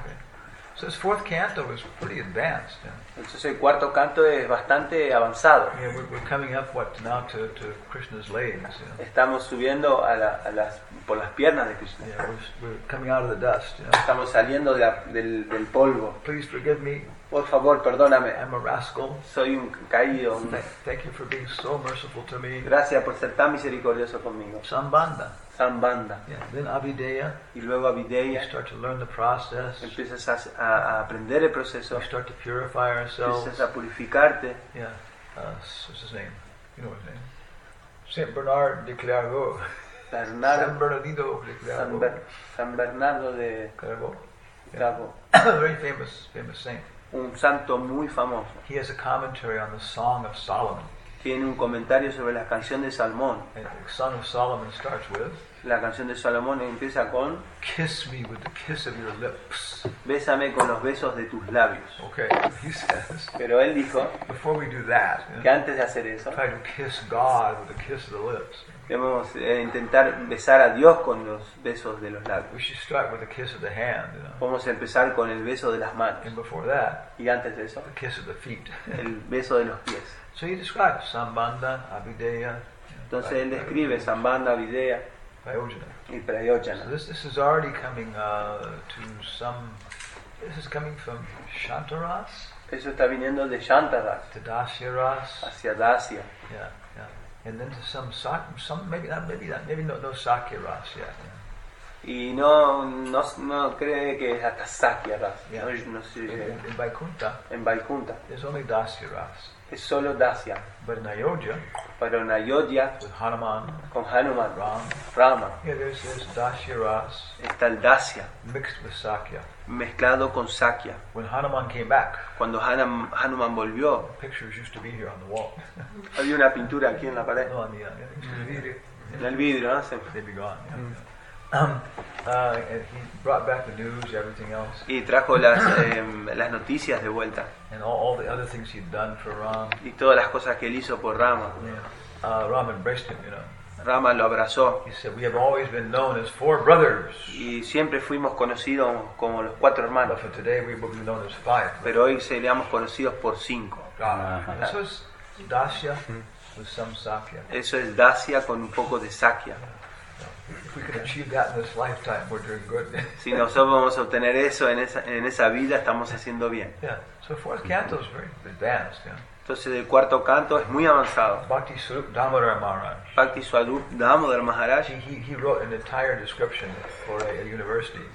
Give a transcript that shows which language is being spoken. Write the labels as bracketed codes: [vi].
[en] Okay. So this fourth canto is pretty advanced. Yeah. [es] Entonces el cuarto canto es bastante avanzado. [en] Yeah, we're coming up what now to Krishna's legs. Yeah. [es] Estamos subiendo a las por las piernas de Krishna. [en] Yeah, we're coming out of the dust. Yeah. [es] Estamos saliendo del polvo. [en] Please forgive me. [es] Por favor, perdóname. [en] I'm a rascal. [es] Soy un caído. [en] Thank you for being so merciful to me. [es] Gracias por ser tan misericordioso conmigo. [en] Sambandha. [es] Sambandha. [en] Yeah. Then Abhideya. [es] Y luego Abhideya. [en] We start to learn the process. [es] Empiezas a aprender el proceso. [en] We start to purify ourselves. [es] Empiezas a purificarte. [en] Yeah. What's his name? You know his name. Saint Bernard de Clairvaux. [es] Bernardo. San Bernardino de Clairvaux. San Bernardo de Clairvaux. Clairvaux. [en] Yeah. Very famous saint. [es] Un santo muy famoso. [en] He has a commentary on the Song of Solomon. [es] Tiene un comentario sobre la canción de Salomón. [en] Song of Solomon starts with. [es] La canción de Salomón empieza con. [en] Kiss me with the kiss of your lips. [es] Bésame con los besos de tus labios. [en] Okay, he says. [es] Pero él dijo. [en] Before we do that. [es] Que antes de hacer eso. [en] Try to kiss God with the kiss of the lips. [es] Debemos intentar besar a Dios con los besos de los labios. [en] We should start with the kiss of the hand, you know? [es] Vamos a empezar con el beso de las manos. [en] And before that, [es] y antes de eso, [en] the kiss of the feet. [es] El beso de los pies. [en] So he describes Sambandha, Abhideya. [es] Entonces él describe Sambandha, Abhideya y Prayojana. [en] So this is already coming to some. This is coming from Shantaras. [es] Eso está viniendo de Shantaras. [en] To Dasya Ras. [es] Hacia Dasya. [en] Yeah. And then to maybe no Sakya Ras yet. Yeah. [es] Y no cree que es hasta Sakya Ras. [en] Yeah. [es] No sé. [en] In Vaikuntha. [es] En Vaikuntha. [en] There's only Dasya Ras. [es] Es solo Dasya. [en] But in Ayodhya. [es] Pero en Ayodhya. [en] With Hanuman. [es] Con Hanuman. [en] Rama. Yeah, there's Dasya Ras. [es] Está el Dasya. [en] Mixed with Sakya. [es] Mezclado con Sakya. [en] When Hanuman came back. [es] Cuando Hanuman volvió. [en] Pictures used to be here on the wall. [es] Había una pintura aquí en la pared. No, en el vidrio. En el vidrio, ¿no? [en] They'd be gone. Yeah. And he brought back the news, everything else. [es] Y trajo las noticias de vuelta. [en] And all the other things he'd done for Ram. [es] Y todas las cosas que él hizo por Rama. [en] Yeah. Ram embraced him, you know. [es] Rama lo abrazó. [en] He said, "We have always been known as four brothers." [es] Y siempre fuimos conocidos como los cuatro hermanos. [en] But for today, we will be known as five. [es] Pero hoy seríamos conocidos por cinco. Eso es Dasya [en] with some [es] Sakya. Eso es Dasya con un poco de Sakya. [en] If we can achieve that in this lifetime, we're doing good. [es] Si nosotros vamos a obtener eso en esa vida, estamos haciendo bien. [en] Yeah. So fourth canto is very advanced. Yeah. [es] Entonces el cuarto canto es muy avanzado. [en] Bhakti Swarup Damodar Maharaj. [es] Bhakti Swarup Damodar Maharaj. [en] He wrote an entire description for a university.